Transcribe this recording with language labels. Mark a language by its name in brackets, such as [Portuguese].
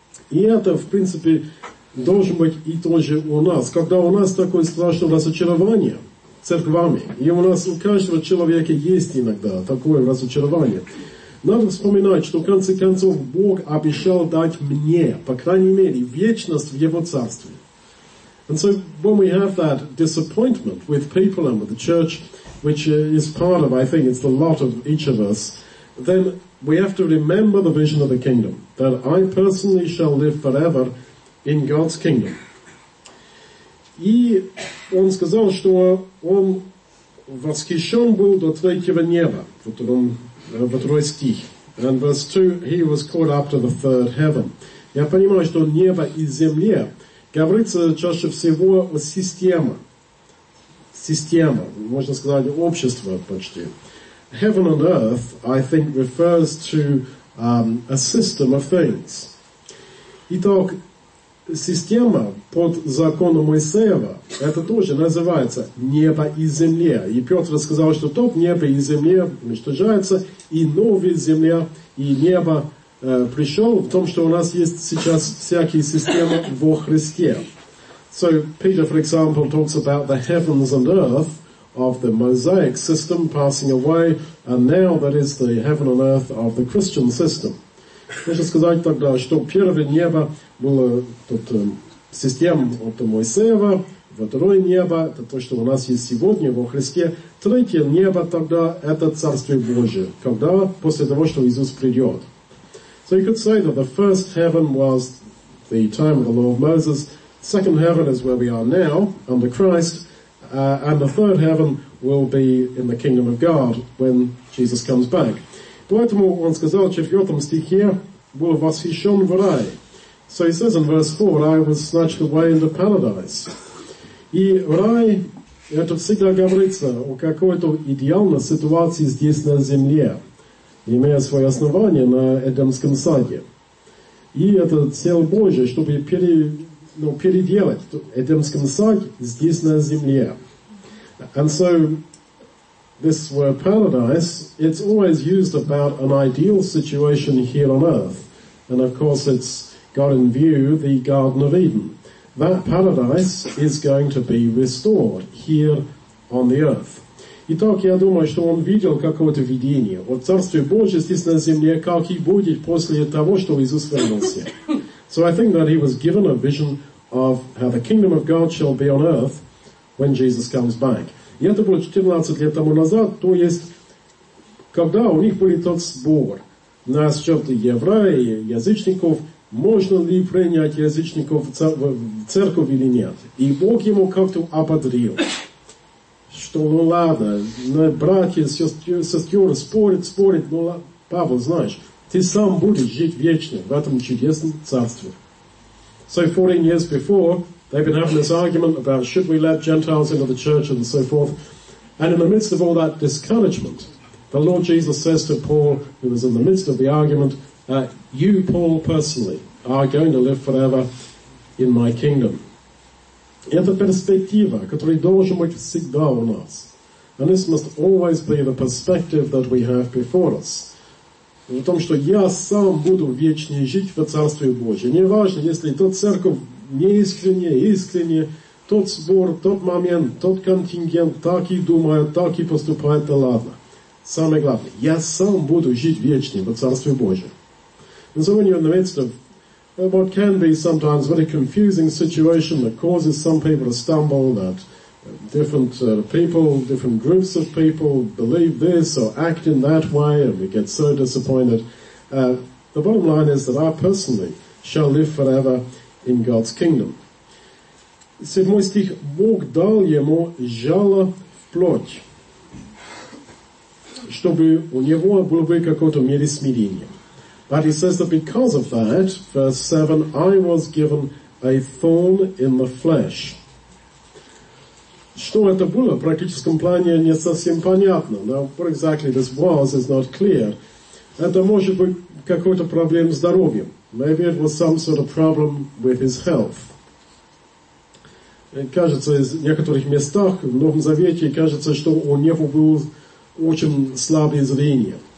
[Russian] И это, в принципе, должен быть и тоже у нас. Когда у нас такое страшное разочарование церквами, и у нас у каждого человека есть иногда такое разочарование, надо вспоминать, что в конце концов Бог обещал дать мне, по крайней мере, вечность в Его Царстве. [English] And so when we have that disappointment with people and with the church, which is part of, I think, it's the lot of each of us, then we have to remember the vision of the kingdom, that I personally shall live forever in God's kingdom. [Russian] И он сказал, что он восхищен был до третьего неба, во второй стих. [English] And verse 2, he was caught up to the third heaven. [Russian] Я понимаю, что небо и земля, говорится чаще всего о системе. Система, можно сказать, общество почти. [English] Heaven and earth, I think, refers to a system of things. [Russian] Итак, система под законом Моисеева, это тоже называется небо и земля. И Петр сказал, что тот небо и земля уничтожается, и новая земля и небо пришел в том, что у нас есть сейчас всякие системы во Христе. [English] So, Peter, for example, talks about the heavens and earth of the Mosaic system passing away, and now that is the heaven and earth of the Christian system. [Russian] Можно сказать тогда, что первое небо было тут система от Моисеева, второе небо это то, что у нас есть сегодня во Христе, третье небо тогда это Царствие Божие, когда после того, что Иисус придет. [English] So you could say that the first heaven was the time of the law of Moses, second heaven is where we are now, under Christ, and the third heaven will be in the kingdom of God when Jesus comes back. [Russian] Поэтому он сказал, что в 4 стихе был восхищен в рай. [English] So he says in verse 4, I was snatched away into paradise. [Russian] И рай, это всегда говорится о какой-то идеальной ситуации здесь на земле, имея свое основание на Эдемском саде. И это цель Божия, чтобы переделать Эдемском сад здесь на земле. [English] And so, this word paradise, it's always used about an ideal situation here on earth. And of course, it's got in view the Garden of Eden. That paradise is going to be restored here on the earth. [Russian] Итак, я думаю, что он видел какое-то видение. Вот Царствие Божие здесь на земле, как и будет после того, что Иисус вернулся. [English] So I think that he was given a vision of how the kingdom of God shall be on earth when Jesus comes back. [Russian] И это было 14 лет тому назад, то есть, когда у них был тот сбор насчет евреев и язычников, можно ли принять язычников в церковь или нет. И Бог ему как-то ободрил, что ну ладно, братья, сестры спорят, но Павел, знаешь, ты сам будешь жить вечно в этом чудесном царстве. [English] So 14 years before, they've been having this argument about should we let Gentiles into the church and so forth. And in the midst of all that discouragement, the Lord Jesus says to Paul, who was in the midst of the argument, you, Paul, personally, are going to live forever in my kingdom. [Russian] Это перспектива, которая должна быть всегда у нас. [English] And this must always be the perspective that we have before us. [Russian] В том, что я сам буду вечно жить в Царстве Божьем. Не важно, если тот церковь искренне, тот сбор, тот момент, тот контингент, так и думает, так и поступает, да ладно. Самое главное, я сам буду жить вечно в Царстве Божьем. [English] And so when you're in the midst of what can be sometimes a very confusing situation that causes some people to stumble, that different people, different groups of people believe this or act in that way and we get so disappointed, the bottom line is that I personally shall live forever in God's kingdom. [Russian] Седьмой стих. Бог дал ему жало в плоть, чтобы у него было бы какое-то мере смирения. [English] But he says that because of that, verse 7, I was given a thorn in the flesh. [Russian] Что это было? В практическом плане не совсем понятно. [English] Now, what exactly this was is not clear. [Russian] Это может быть какой-то проблем с здоровьем. [English] Maybe it was some sort of problem with his health. [Russian] Кажется, в некоторых местах в Новом Завете кажется, что у него было очень слабое зрение.